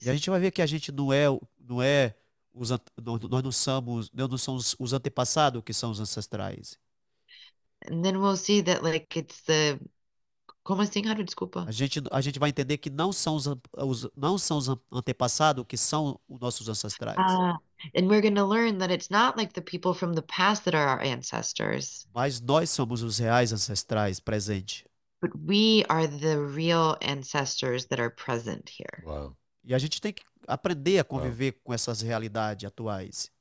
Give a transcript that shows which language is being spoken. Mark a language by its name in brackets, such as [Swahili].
[Portuguese] gente vai ver que a gente não é os nós não somos nós não somos os antepassados que são os ancestrais. [English] And then we'll see that like it's the. [Portuguese] Como assim, Haru? Desculpa. A gente vai entender que não são os antepassados que são os nossos ancestrais. [English] Ah, and we're going to learn that it's not like the people from the past that are our ancestors. [Portuguese] Mas nós somos os reais ancestrais presentes. [English] But we are the real ancestors that are present here. [Portuguese] Uau. E a gente tem que aprender a Uau. conviver com essas realidades atuais.